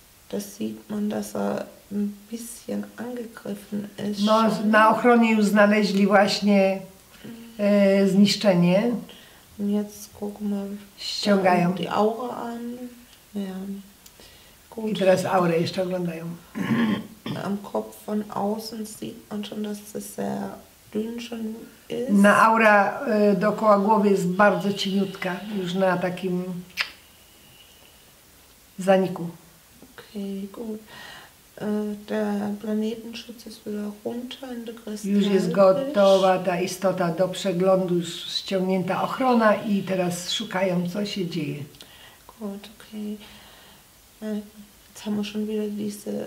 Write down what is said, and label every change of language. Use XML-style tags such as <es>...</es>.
<de>Das sieht man, dass ein bisschen angegriffen ist.</de> <pl>No, na ochronie już znaleźli właśnie zniszczenie.</pl> <de>Jetzt gucken wir.</de> <pl>Ściągają</pl> <de>die Aura an. Ja.</de> <pl>I teraz aurę jeszcze oglądają.</pl> <de>Am Kopf von außen sieht man schon, dass es sehr dünn schon ist.</de> <pl>Na aura dookoła głowy jest bardzo cieniutka, już na takim zaniku.</pl> <de>Okay, gut. Der Planetenschutz ist wieder runter in der Kristallwäsche.</de> <pl>Już jest gotowa ta istota do przeglądu, już ściągnięta ochrona i teraz szukają, co się dzieje.</pl> <de>Gut, okay. Jetzt haben wir schon wieder diese.</de>